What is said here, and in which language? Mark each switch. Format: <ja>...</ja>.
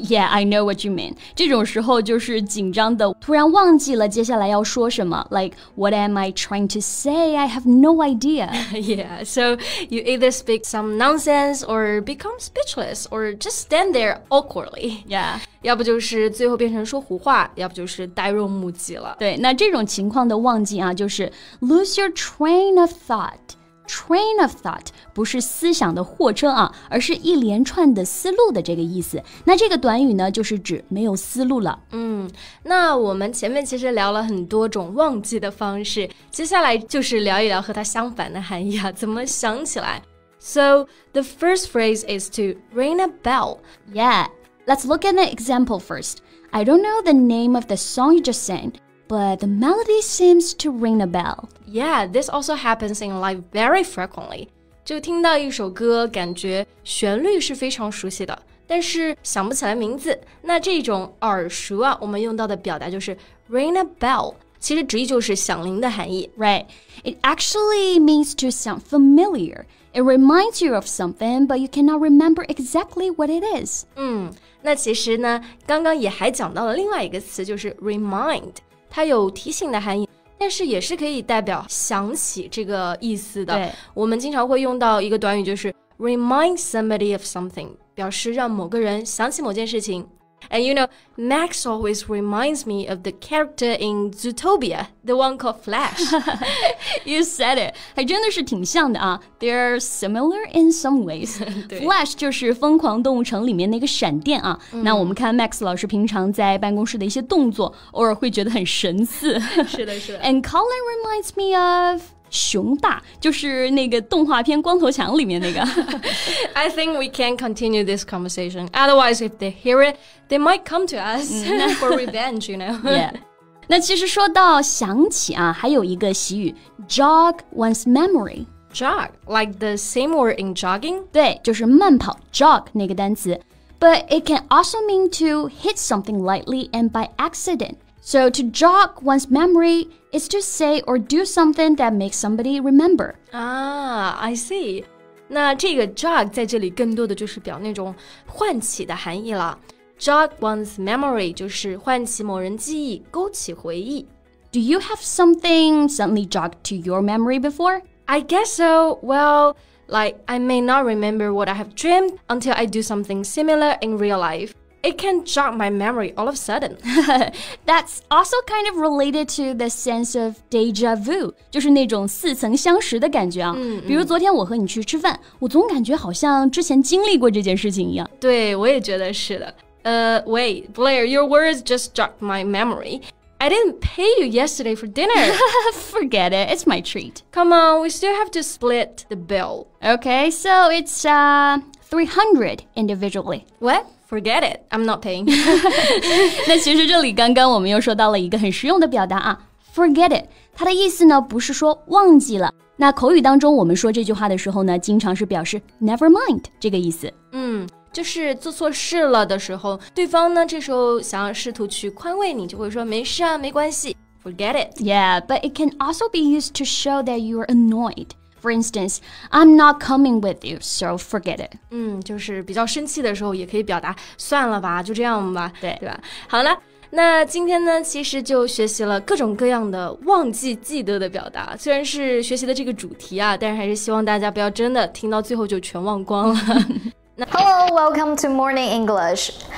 <en>Yeah, I know what you mean.</en> <zh>这种时候就是紧张的突然忘记了接下来要说什么</zh> <en>Like, what am I trying to say? I have no idea. Yeah, so you either speak some nonsense or become speechless or just stand there awkwardly. Yeah.</en> <zh>要不就是最后变成说胡话要不就是呆若木鸡了对那这种情况的忘记啊就是</zh> <en>Lose your train of thought.</en> <zh>Train of thought 不是思想的货车啊，而是一连串的思路的这个意思。那这个短语呢，就是指没有思路了。那我们前面其实聊了很多种忘记的方式，接下来就是聊一聊和它相反的含义啊，怎么想起来。</zh> <en>So, the first phrase is to ring a bell. Yeah, let's look at an example first. I don't know the name of the song you just sang. But the melody seems to ring a bell. Yeah, this also happens in life very frequently.</en> <zh>就听到一首歌，感觉旋律是非常熟悉的，但是想不起来名字。那这种耳熟啊，我们用到的表达就是 ring a bell. 其实直译就是响铃的含义。</zh> <en>Right. It actually means to sound familiar. It reminds you of something, but you cannot remember exactly what it is.</en> <zh>那其实呢，刚刚也还讲到了另外一个词，就是 remind. 它有提醒的含义，但是也是可以代表想起这个意思的。对，我们经常会用到一个短语，就是</zh> <en>remind somebody of something，</en> <zh>表示让某个人想起某件事情。</zh> <en>And you know, Max always reminds me of the character in Zootopia, the one called Flash. You said it.</en> <zh>还真的是挺像的啊。</zh> <en>They're similar in some ways.</en> <zh>Flash 就是疯狂动物城里面那个闪电啊。那我们看 Max 老师平常在办公室的一些动作偶尔会觉得很神似。是的是的。</zh> <en>And Colin reminds me of...</en> <zh>熊大就是那个动画片光头强里面那个</zh> <en>I think we can continue this conversation Otherwise if they hear it They might come to us for revenge You know、</en> <zh>yeah. 那其实说到想起啊还有一个习语 Jog one's memory</zh> <en>Jog like the same word in jogging</en> <zh>对就是慢跑</zh> <en>Jog</en> <zh>那个单词</zh> <en>But it can also mean to hit something lightly and by accidentSo to jog one's memory is to say or do something that makes somebody remember. Ah, I see.</en> <zh>那这个 jog 在这里更多的就是表那种唤起的含义了。 Jog one's memory 就是唤起某人记忆，勾起回忆。</zh> <en>Do you have something suddenly jogged to your memory before? I guess so. Well, like, I may not remember what I have dreamed until I do something similar in real life. It can jog my memory all of a sudden. That's also kind of related to the sense of deja vu.</en> <zh>就是那种似曾相识的感觉啊。比如昨天我和你去吃饭，我总感觉好像之前经历过这件事情一样。对，我也觉得是的。</zh> <en>Wait, Blair, your words just jogged my memory. I didn't pay you yesterday for dinner. Forget it, it's my treat. Come on, we still have to split the bill. Okay, so it's 300 individually. What? Forget it, I'm not paying.</en> <zh>那其实这里刚刚我们又说到了一个很实用的表达啊 ,</zh> <en>forget it,</en> <zh>它的意思呢不是说忘记了。那口语当中我们说这句话的时候呢经常是表示 never mind, 这个意思。就是做错事了的时候对方呢这时候想要试图去宽慰你就会说没事啊没关系 ,</zh> <en>forget it. Yeah, but it can also be used to show that you're annoyed. For instance, I'm not coming with you, so forget it.</en> <zh>就是比较生气的时候也可以表达算了吧，就这样吧，对，对吧？好了，那今天呢，其实就学习了各种各样的忘记记得的表达。虽然是学习的这个主题啊，但是还是希望大家不要真的听到最后就全忘光了。</zh> <en>Hello, welcome to Morning English.</en>